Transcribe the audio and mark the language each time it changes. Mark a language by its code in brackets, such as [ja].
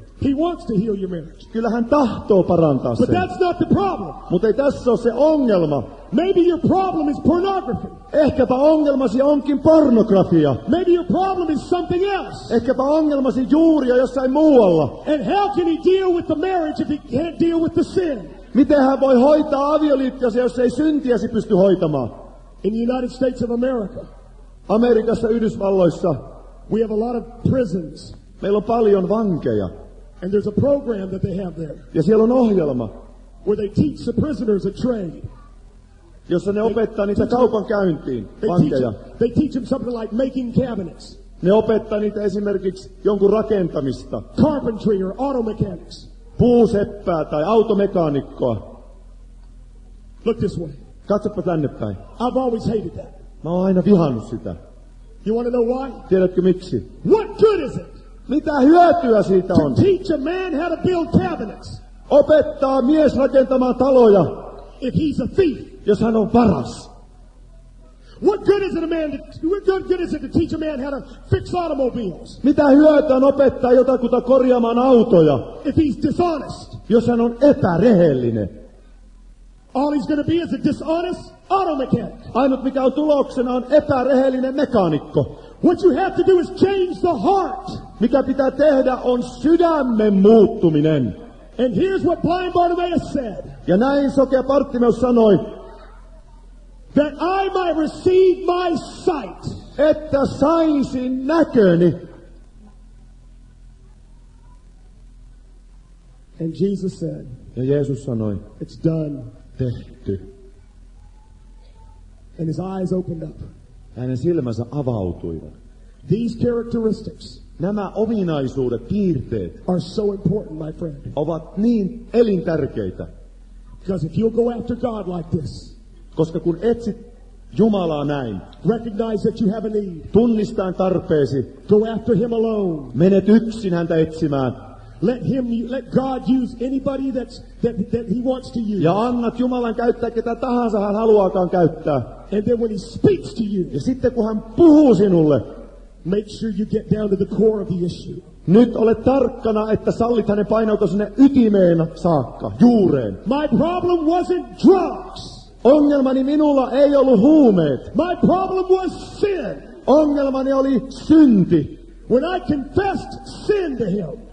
[en] He wants to heal your marriage. [fi] Kyllä hän tahtoo parantaa sen. [en] But that's not the problem. [fi] Mutta ei tässä ole se ongelma. [en] Maybe your problem is pornography. [fi] Ehkäpä ongelmasi onkin pornografia. [en] Maybe your problem is something else. [fi] Ehkäpä ongelmasi juuri on jossain muualla. [en] And how can he deal with the marriage if he can't deal with the sin? [fi] Miten hän voi hoitaa avioliittiasi, jos ei syntiäsi pysty hoitamaan? [en] In the United States of America. [fi] Amerikassa, Yhdysvalloissa. [en] We have a lot of prisons. [fi] Meillä on paljon vankeja. [en] And there's a program that they have there. [fi] Ja siellä on ohjelma. [en] Where they teach the prisoners a trade. [fi] Jossa ne opettaa niitä kaupankäyntiin, vankeja. [en] They teach them something like making cabinets. [fi] Ne opettaa niitä esimerkiksi jonkun rakentamista. [en] Carpentry or auto mechanics. [fi] Puuseppää tai automekaanikkoa. [en] Look this way. [fi] Katsoppa tänne päin. [en] I've always hated that. [fi] Mä oon aina vihannut sitä. [en] You want to know why? [fi] Tiedätkö miksi? [en] What good is it? [fi] Mitä hyötyä siitä on? [en] To teach a man how to build cabinets. [fi] Opettaa mies rakentamaan taloja. [en] If he's a thief. [fi] Jos hän on varas. [en] What good is it a man to, what good is it to teach a man how to fix automobiles? [fi] Mitä hyötyä on opettaa jotakuta korjaamaan autoja? [en] If he's dishonest. [fi] Jos hän on epärehellinen. [en] All he's going to be is a dishonest auto mechanic. [fi] Ainut mikä on tuloksena on epärehellinen mekaanikko. [en] What you have to do is change the heart. [fi] Mikä pitää tehdä on sydämen muuttuminen. [en] And here's what blind Bartimaeus said. [fi] Ja näin sokea Bartimaeus sanoi. [en] That I might receive my sight. [fi] Että saisin näköni. [en] And Jesus said. [fi] Ja Jeesus sanoi. [en] It's done. [fi] Tehty. [en] And his eyes opened up. [fi] Hänen silmänsä avautuivat. [en] These characteristics. [fi] Nämä ominaisuudet, piirteet [en] are so important, my friend. [fi] Ovat niin elintärkeitä. [en] Because if you'll go after God like this, [fi] koska kun etsit Jumalaa näin, [en] recognize that you have a need. [fi] Tunnistaan tarpeesi. [en] Go after him alone. [fi] Menet yksin häntä etsimään. [en] Let God use anybody that he wants to use. [fi] Ja annat Jumalan käyttää ketä tahansa hän haluaakaan käyttää. [en] And then when he speaks to you, [fi] ja sitten kun hän puhuu sinulle, [en] make sure you get down to the core of the issue. [fi] Nyt ole tarkkana, että sallit hänen painautua sinne ytimeen saakka, juureen. [en] My problem wasn't drugs. [fi] Ongelmani minulla ei ollut huumeet. [en] My problem was sin. [fi] Ongelmani oli synti. [en] When I confessed sin to him,